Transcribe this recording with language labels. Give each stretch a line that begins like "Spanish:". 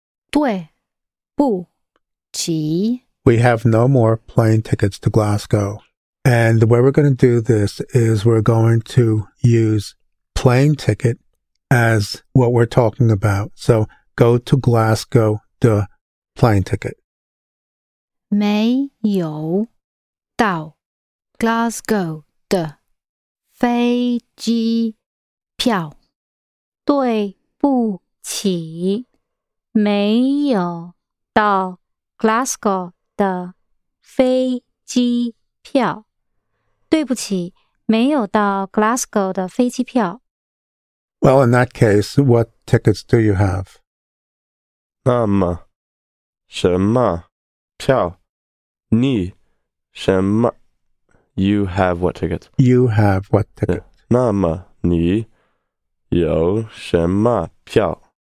Chinese: 对不起.
English: We have no more plane tickets to Glasgow. And the way we're going to do this is we're going to use plane ticket as what we're talking about. So go to Glasgow de plane ticket.
Chinese: 没有到 Glasgow 的飞机票. 对不起, 没有到 Glasgow 的飞机票. 对不起, 没有到 Glasgow 的飞机票.
English: Well, in that case, what tickets do you have?
Chinese: 那么什么票你什么
English: you have what ticket? You have what ticket?
Chinese: 那么你有什么票？